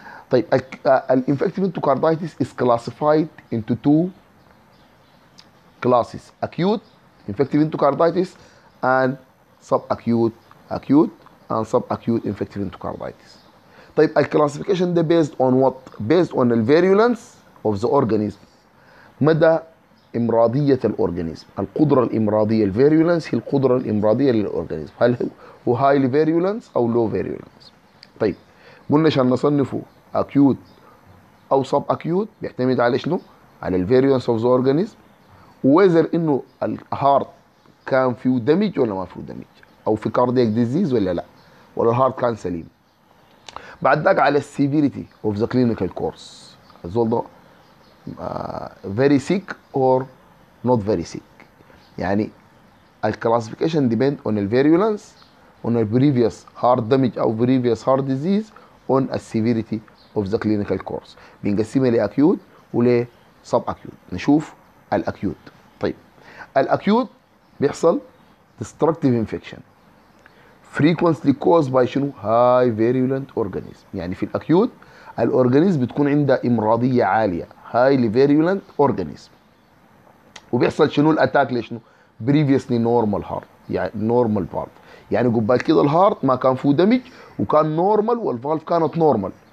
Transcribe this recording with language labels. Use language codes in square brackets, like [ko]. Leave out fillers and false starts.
[en] طيب, an infective endocarditis is classified into two classes: acute infective endocarditis and subacute, acute and subacute infective endocarditis. طيب, a classification ده based on what? Based on the virulence of the organism. [ar] مدى إمراضية الأورجانيزم, القدرة الإمراضية, الفيريولنس هي القدرة الإمراضية للأورجانيزم, هل هو هاي فيريولنس أو لو فيريولنس. طيب, قلنا عشان نصنفه أكيوت أو سب أكيوت بيعتمد على شنو؟ على [en] الفيريولنس of the organism, [ar] وإذر إنه الهارت كان فيه دمج ولا ما فيه دمج, أو في كاردياك ديزيز ولا لا, ولا الهارت كان سليم. بعد ذاك على [en] السيفيريتي of the clinical course, [ar] الزول ده [en] very sick or not very sick. يعني الكلاسيفيكيشن depend on the virulence, on the previous heart damage or previous heart disease, on the severity of the clinical course. [ar] بنقسمها لأكيوت ولا سب أكيوت. نشوف الأكيوت. [en] طيب, [ar] الأكيوت بيحصل [en] destructive infection frequently caused by شنو؟ high virulent organism. [ar] يعني في الأكيوت الأورجانيزم بتكون عندها إمراضية عالية, [en] highly virulent organism, [ar] وبيحصل شنو الاتاك لشنو؟ [en] previously normal heart, [ar] يعني normal valve. يعني قبل كده الهارت ما كان فيه دمج وكان normal والفالف كانت normal.